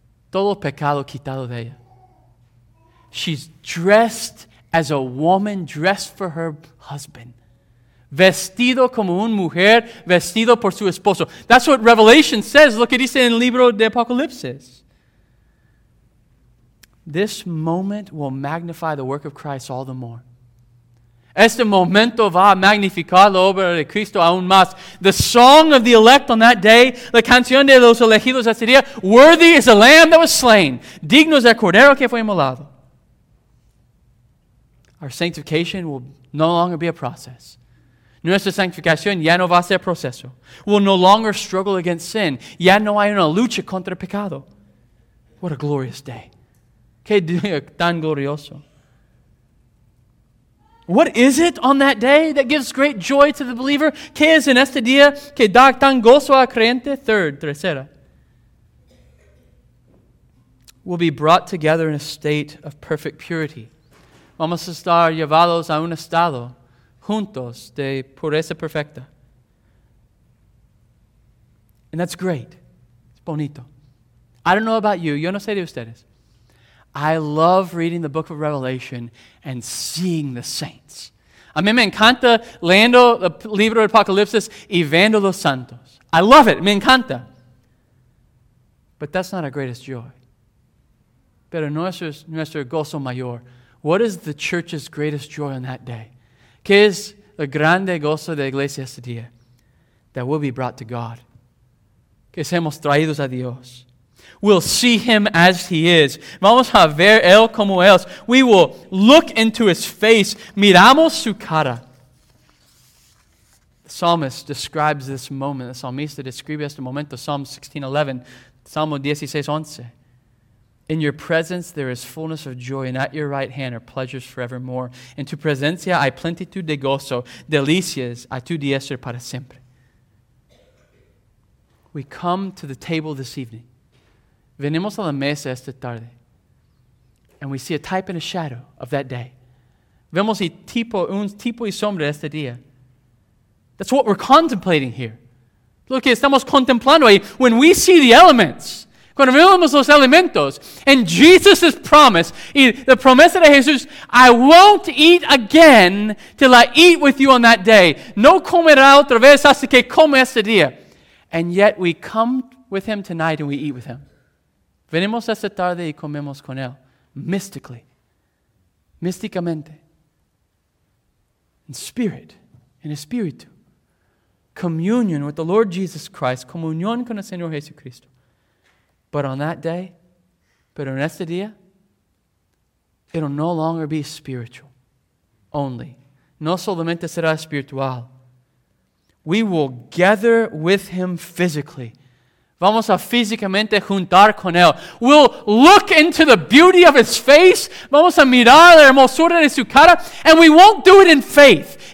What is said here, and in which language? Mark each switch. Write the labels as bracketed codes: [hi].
[es] Todo pecado quitado de ella. [en] She's dressed as a woman dressed for her husband. [es] Vestido como una mujer, vestido por su esposo. [en] That's what Revelation says. Look at it in the [es] libro de Apocalipsis. [en] This moment will magnify the work of Christ all the more. [es] Este momento va a magnificar la obra de Cristo aún más. [en] The song of the elect on that day, [es] la canción de los elegidos ese día, [en] worthy is the lamb that was slain. [es] Digno es el cordero que fue inmolado. [en] Our sanctification will no longer be a process. [es] Nuestra sanctificación ya no va a ser proceso. [en] We'll no longer struggle against sin. [es] Ya no hay una lucha contra el pecado. [en] What a glorious day. [es] Qué día tan glorioso. [en] What is it on that day that gives great joy to the believer? [es] ¿Qué es en este día que da tan gozo al creyente? Tercera. [en] We'll be brought together in a state of perfect purity. [es] Vamos a estar llevados a un estado juntos de pureza perfecta. [en] And that's great. It's bonito. I don't know about you. [es] Yo no sé de ustedes. [en] I love reading the book of Revelation and seeing the saints. [es] A mí me encanta leyendo el libro de Apocalipsis y viendo los santos. [en] I love it. [es] Me encanta. [en] But that's not our greatest joy. [es] Pero no es nuestro gozo mayor. [en] What is the church's greatest joy on that day? [es] ¿Qué es el grande gozo de la iglesia este día? [en] That we'll be brought to God. [es] Que seamos traídos a Dios. [en] We'll see him as he is. [es] Vamos a ver él como él. [en] We will look into his face. [es] Miramos su cara. [en] The psalmist describes this moment. The [es] psalmista describe este momento. [en] Psalm 16:11. Salmo 16:11. In your presence there is fullness of joy, and at your right hand are pleasures forevermore. [es] En tu presencia hay plenitud de gozo, delicias a tu diestra para siempre. [en] We come to the table this evening. [es] Venimos a la mesa esta tarde. [en] And we see a type and a shadow of that day. [es] Vemos un tipo y sombra de este día. [en] That's what we're contemplating here. [es] Lo que estamos contemplando ahí. [en] When we see the elements, [es] cuando vemos los elementos, [en] and Jesus' promise, [es] y la promesa de Jesús, [en] I won't eat again till I eat with you on that day. [es] No comerá otra vez hasta que coma este día. [en] And yet we come with him tonight and we eat with him. [es] Venimos esta tarde y comemos con él, [en] mystically, [es] místicamente, [en] in spirit, [es] in espíritu, communion with the Lord Jesus Christ, comunión con el Señor Jesucristo. [en] But on that day, [es] pero en este día, [en] it'll no longer be spiritual only. [es] No solamente será espiritual. [en] We will gather with him physically. [es] Vamos a físicamente juntar con él. [en] We'll look into the beauty of his face. [es] Vamos a mirar la hermosura de su cara. [en] And we won't do it in faith.